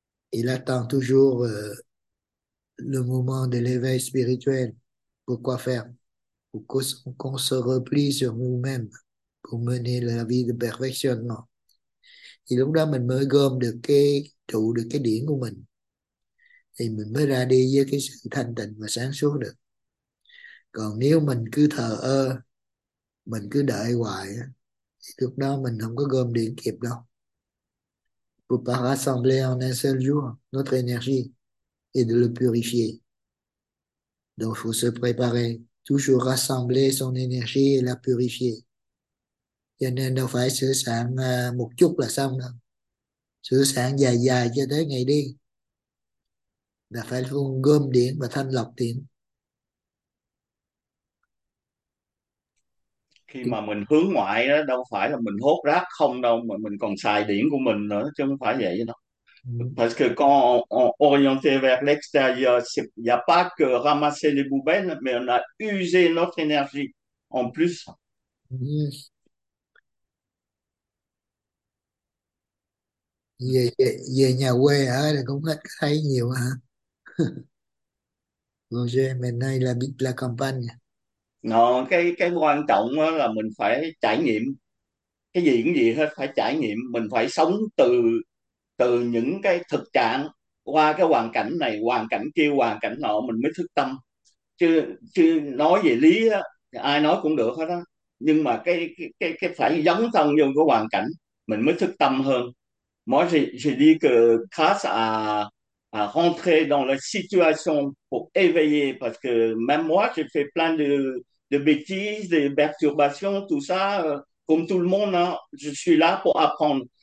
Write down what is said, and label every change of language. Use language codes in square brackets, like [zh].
[fr] Il attend toujours le moment de l'éveil spirituel. Pourquoi faire? Pour qu'on se replie sur nous-mêmes, pour mener la vie de perfectionnement. [vi] Thì lúc đó mình mới gom được cái trụ được cái điển của mình. Thì mình mới ra đi với cái sự thanh tịnh và sáng suốt được. Còn nếu mình cứ thờ ơ, mình cứ đợi hoài, thì lúc đó mình không có gom điển kịp đâu. [fr] Pour pas rassembler en un seul jour notre énergie et de le purifier. Donc, il faut se préparer, toujours rassembler son énergie et la purifier. [vi] Cho nên đâu phải sửa soạn một chút là xong đâu. Sửa soạn dài dài cho tới ngày đi. Là phải luôn gom điện và thanh lọc điện. Khi mà mình hướng ngoại đó, đâu phải là mình hốt rác không đâu, mà mình còn xài điển của mình nữa, chứ không phải vậy đâu. [fr] Parce que quand on orienté vers l'extérieur, il n'y a pas que ramasser les poubelles, mais on a usé notre énergie en plus. [vi] Về nhà quê hả là cũng ít thấy nhiều hả? Roger, mình nay là biết là campaign. Nó cái quan trọng đó là mình phải trải nghiệm cái gì cũng gì hết, phải trải nghiệm, mình phải sống từ từ những cái thực trạng, qua cái hoàn cảnh này hoàn cảnh kia hoàn cảnh nọ mình mới thức tâm, chứ chứ nói về lý đó, ai nói cũng được hết á, nhưng mà cái phải dấn thân vô cái hoàn cảnh mình mới thức tâm hơn. [fr] Moi, j'ai dit que grâce à rentrer dans la situation pour éveiller, parce que même moi, j'ai fait plein de bêtises, des perturbations, tout ça, comme tout le monde, hein, je suis là pour apprendre.